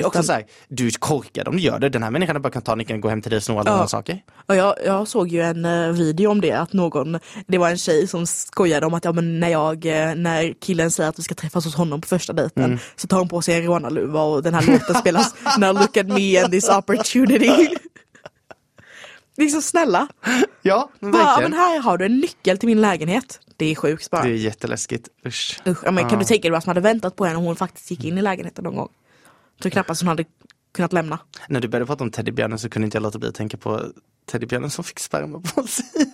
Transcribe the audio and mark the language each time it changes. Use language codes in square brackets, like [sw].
[sv] Men också såhär, du är korkad om du gör det. Den här människan bara kan ta nyckeln och gå hem till dig och snå alla saker. Ja, jag såg ju en video om det. Att någon, det var en tjej som skojade om att ja, men när killen säger att vi ska träffas hos honom på första dejten. Mm. Så tar hon på sig en rånarluva och den här låten spelas. [en] Now look at me and this opportunity. [sv] Liksom snälla. Ja, bara, men här har du en nyckel till min lägenhet. Det är sjukt bara. Det är jätteläskigt. Usch. Usch. Ja, men kan du tänka dig vad som hade väntat på henne om hon faktiskt gick in i lägenheten någon gång? Så knappast hon hade kunnat lämna. När du började prata om teddybjörnen så kunde inte jag låta bli att tänka på teddybjörnen som fick sperma på sig.